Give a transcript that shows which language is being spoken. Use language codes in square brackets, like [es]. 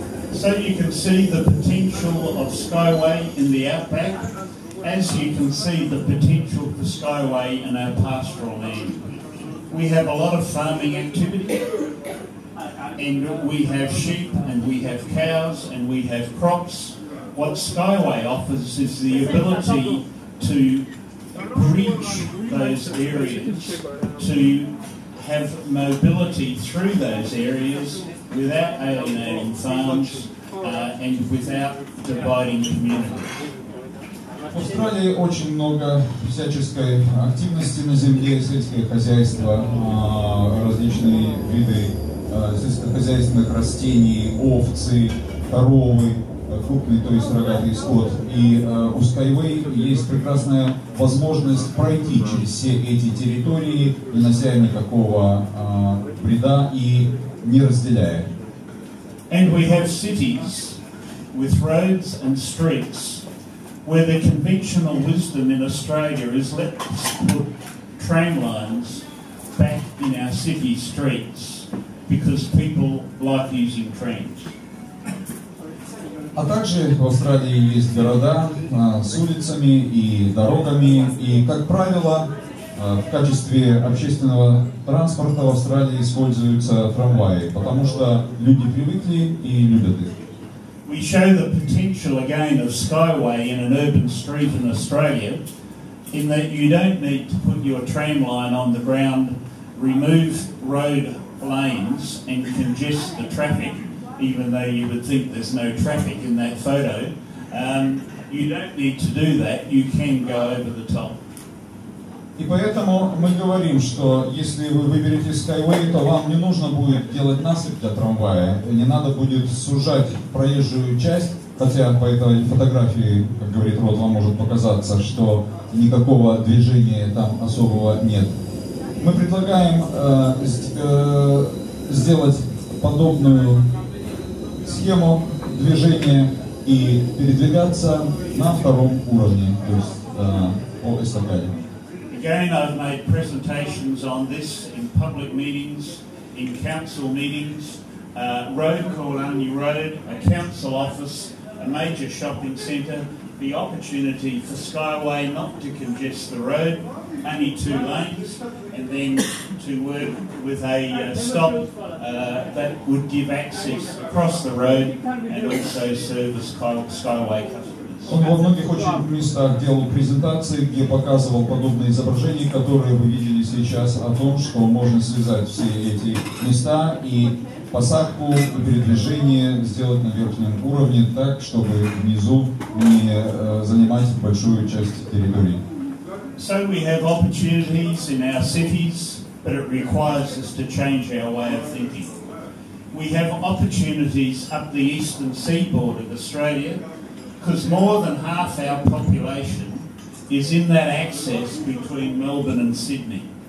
[en] So you can see the potential of Skyway in the outback, as you can see the potential for Skyway in our pastoral land. We have a lot of farming activity, and we have sheep, and we have cows, and we have crops. What Skyway offers is the ability to bridge those areas, to have mobility through those areas without alienating farms and without dividing communities. [ru] В Австралии очень много всяческой активности на земле, сельское хозяйство, различные виды сельскохозяйственных растений, овцы, коровы, крупный, то есть рогатый скот. И у Skyway есть прекрасная возможность пройти через все эти территории, не нанося никакого вреда и не разделяя. [en] And we have cities with roads and streets where the conventional wisdom in Australia is let's put tram lines back in our city streets because people like using trams. [ru] А также в Австралии есть города с улицами и дорогами, и, как правило, в качестве общественного транспорта в Австралии используются трамваи, потому что люди привыкли и любят их. [en] We show the potential again of Skyway in an urban street in Australia, in that you don't need to put your tram line on the ground, remove road lanes and congest the traffic, even though you would think there's no traffic in that photo. You don't need to do that, you can go over the top. [ru] И поэтому мы говорим, что если вы выберете Skyway, то вам не нужно будет делать насыпь для трамвая, не надо будет сужать проезжую часть, хотя по этой фотографии, как говорит Род, вам может показаться, что никакого движения там особого нет. Мы предлагаем сделать подобную схему движения и передвигаться на втором уровне, то есть по эстакаде. [en] Again, I've made presentations on this in public meetings, in council meetings, road called Only Road, a council office, a major shopping centre, the opportunity for Skyway not to congest the road, only two lanes, and then to work with a stop that would give access across the road and also service Skyway customers. [ru] Он во многих очень местах делал презентации, где показывал подобные изображения, которые вы видели сейчас, о том, что можно связать все эти места и посадку, и передвижение сделать на верхнем уровне так, чтобы внизу не занимать большую часть территории. [en] So we have opportunities in our cities, but it requires us to change our way of thinking. We have opportunities up the eastern seaboard of Australia, because more than half our population is in that access between Melbourne and Sydney.